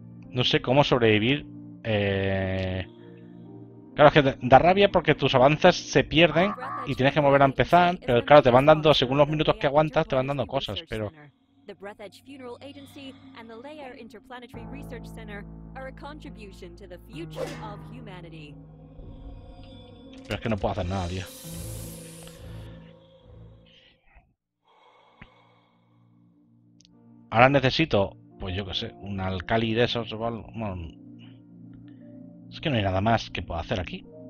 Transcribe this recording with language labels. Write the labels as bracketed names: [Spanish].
[Spanish] No sé cómo sobrevivir. Claro, es que da rabia porque tus avances se pierden y tienes que volver a empezar. Pero claro, te van dando, según los minutos que aguantas, te van dando cosas, pero [English] the Breath Edge Funeral Agency, and the Leia Interplanetary Research Center are a contribution to the future of humanity. [Spanish] Pero es que no puedo hacer nada, tío. Ahora necesito, pues yo qué sé, un alcali de esos. Bueno, es que no hay nada más que pueda hacer aquí.